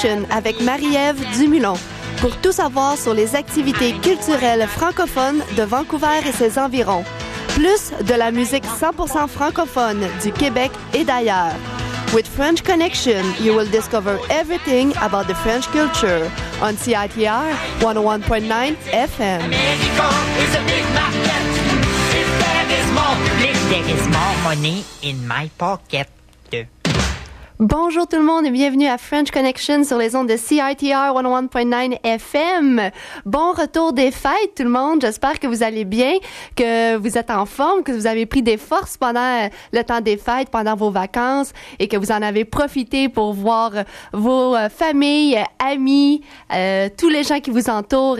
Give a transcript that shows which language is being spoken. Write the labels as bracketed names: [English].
[French] Avec Marie-Ève Dumoulin pour tout savoir sur les activités culturelles francophones de Vancouver et ses environs, plus de la musique 100% francophone du Québec et d'ailleurs. [English] With French Connection, you will discover everything about the French culture on CITR 101.9 FM. [French] Bonjour tout le monde et bienvenue à French Connection sur les ondes de CITR 101.9 FM. Bon retour des fêtes tout le monde, j'espère que vous allez bien, que vous êtes en forme, que vous avez pris des forces pendant le temps des fêtes, pendant vos vacances et que vous en avez profité pour voir vos familles, amis, tous les gens qui vous entourent.